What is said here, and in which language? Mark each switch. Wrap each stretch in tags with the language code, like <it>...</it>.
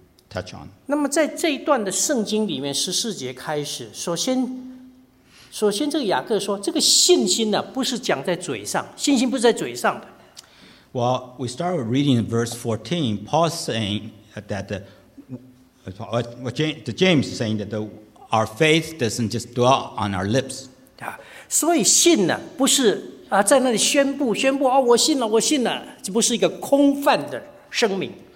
<en>Touch on.</en> <zh>那么在这一段的圣经里面，十四节开始，首先这个雅各说，这个信心呢，不是讲在嘴上，信心不是在嘴上的。</zh> <en>Well, we start with reading verse 14. Paul saying that James is saying that our faith doesn't just dwell on our lips.</en> <zh>啊，所以信呢，不是啊，在那里宣布啊、哦，我信了，这不是一个空泛的声明。</zh>